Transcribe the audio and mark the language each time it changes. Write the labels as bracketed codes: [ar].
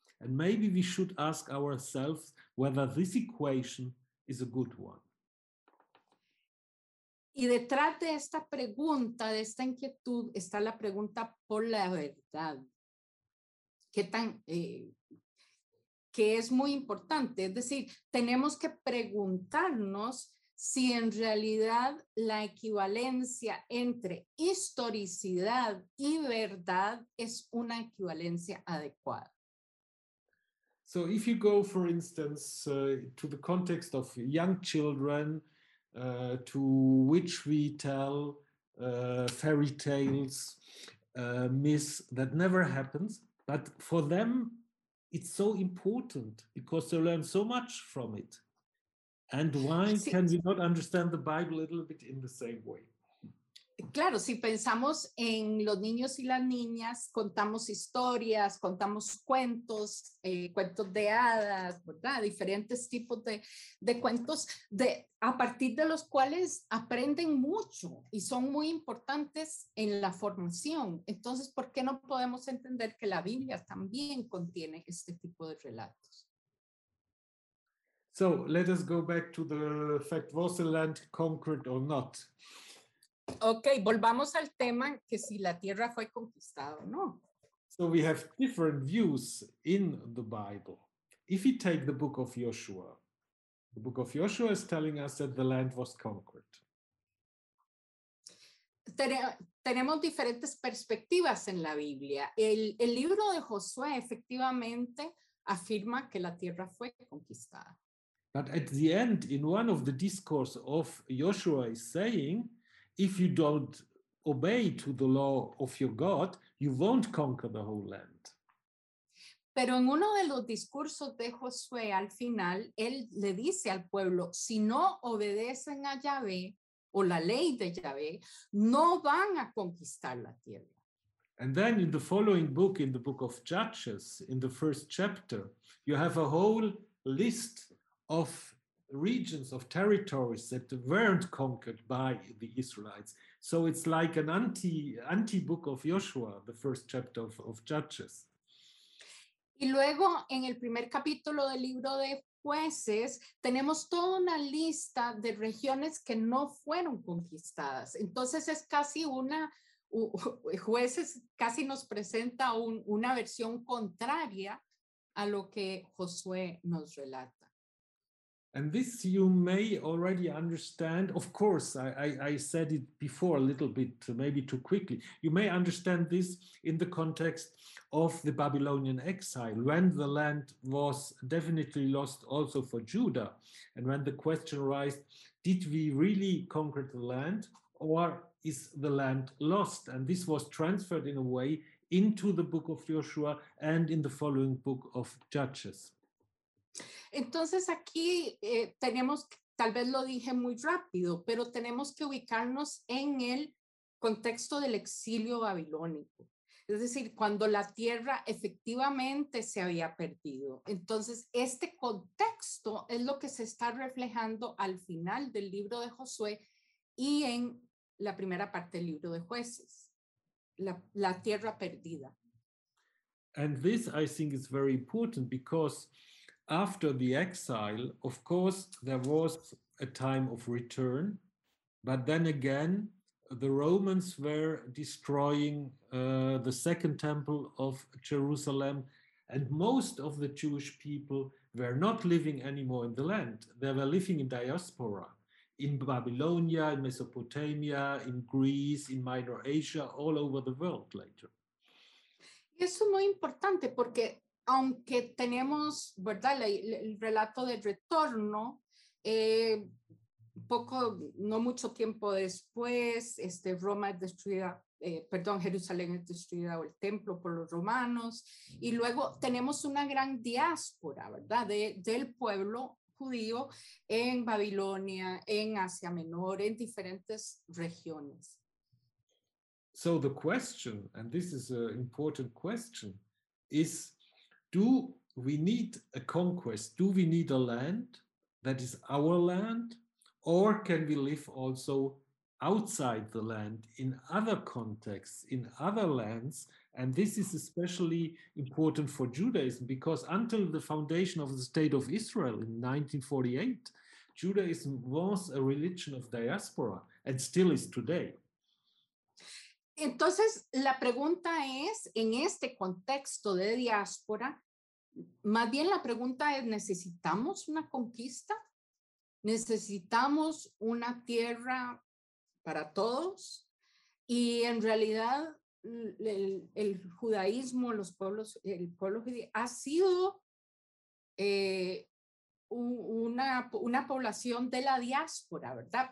[en] And maybe we should ask ourselves whether this equation is a good one. [es] Y detrás de esta pregunta, de esta inquietud, está la pregunta por la verdad. Que es muy importante. Es decir, tenemos que preguntarnos si en realidad la equivalencia entre historicidad y verdad es una equivalencia adecuada. [en] So if you go, for instance, to the context of young children, to which we tell fairy tales, myths that never happens, but for them it's so important because they learn so much from it. And why can we not understand the Bible a little bit in the same way? [es] Claro, si pensamos en los niños y las niñas, contamos historias, contamos cuentos, cuentos de hadas, ¿verdad? Diferentes tipos de cuentos de, a partir de los cuales aprenden mucho y son muy importantes en la formación. Entonces, ¿por qué no podemos entender que la Biblia también contiene este tipo de relatos? [en] So, let us go back to the fact, was the land conquered or not? [es] Okay, volvamos al tema que si la tierra fue conquistada o no. [en] So we have different views in the Bible. If we take the book of Joshua is telling us that the land was conquered. [es] Tenemos diferentes perspectivas en la Biblia. El libro de Josué efectivamente afirma que la tierra fue conquistada. [en] But at the end, in one of the discourse of Joshua is saying, if you don't obey to the law of your God, you won't conquer the whole land. [es] Pero en uno de los discursos de Josué al final, él le dice al pueblo, si no obedecen a Yahvé o la ley de Yahvé, no van a conquistar la tierra. [en] And then in the following book, in the book of Judges, in the first chapter, you have a whole list of regions, of territories that weren't conquered by the Israelites. So it's like an anti-book of Joshua, the first chapter of Judges. [es] Y luego, en el primer capítulo del libro de Jueces, tenemos toda una lista de regiones que no fueron conquistadas. Entonces es casi una, Jueces casi nos presenta una versión contraria a lo que Josué nos relata. [en] And this you may already understand, of course, I said it before a little bit, maybe too quickly. You may understand this in the context of the Babylonian exile, when the land was definitely lost also for Judah. And when the question arises, did we really conquer the land or is the land lost? And this was transferred in a way into the book of Joshua and in the following book of Judges. [es] Entonces aquí tenemos, tal vez lo dije muy rápido, pero tenemos que ubicarnos en el contexto del exilio babilónico. Es decir, cuando la tierra efectivamente se había perdido. Entonces este contexto es lo que se está reflejando al final del libro de Josué y en la primera parte del libro de Jueces, la tierra perdida. [en] And this I think is very important because after the exile, of course, there was a time of return, but then again, the Romans were destroying the second temple of Jerusalem, and most of the Jewish people were not living anymore in the land. They were living in diaspora, in Babylonia, in Mesopotamia, in Greece, in Minor Asia, all over the world later. [es] Eso es muy importante porque aunque tenemos, ¿verdad?, el relato de retorno, no mucho tiempo después, Roma es destruida, Jerusalén es destruida o el templo por los romanos, y luego tenemos una gran diáspora, ¿verdad?, del pueblo judío en Babilonia, en Asia Menor, en diferentes regiones. [en] So the question, and this is an important question, is, do we need a conquest? Do we need a land that is our land? Or can we live also outside the land in other contexts, in other lands? And this is especially important for Judaism because until the foundation of the State of Israel in 1948, Judaism was a religion of diaspora and still is today. [es] Entonces, la pregunta es, en este contexto de diáspora, más bien la pregunta es, ¿necesitamos una conquista? ¿Necesitamos una tierra para todos? Y en realidad el judaísmo, los pueblos, el pueblo judío ha sido una población de la diáspora, ¿verdad?